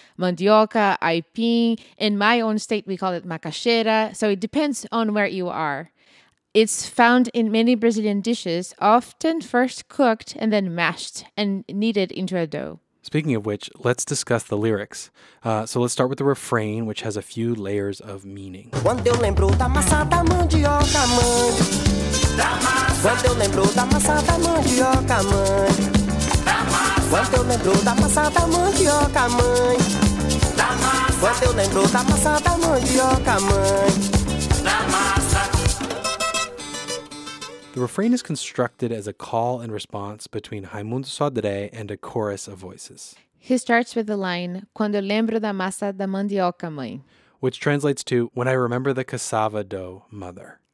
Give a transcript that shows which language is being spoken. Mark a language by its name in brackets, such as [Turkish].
[English] Mandioca, aipim. In my own state, we call it macaxeira. So it depends on where you are. It's found in many Brazilian dishes, often first cooked and then mashed and kneaded into a dough. Speaking of which, let's discuss the lyrics. So let's start with the refrain, which has a few layers of meaning. [Portuguese] Quando eu lembro da massa da mandioca, mãe. Quando eu lembro da massa da mandioca, mãe. Quando eu lembro da massa da mandioca, mãe. Quando eu lembro da massa da mandioca, mãe. [English] The refrain is constructed as a call and response between Raimundo Sodré and a chorus of voices. He starts with the line, [Portuguese] Quando lembro da massa da mandioca, mãe. [English] Which translates to, When I remember the cassava dough, mother.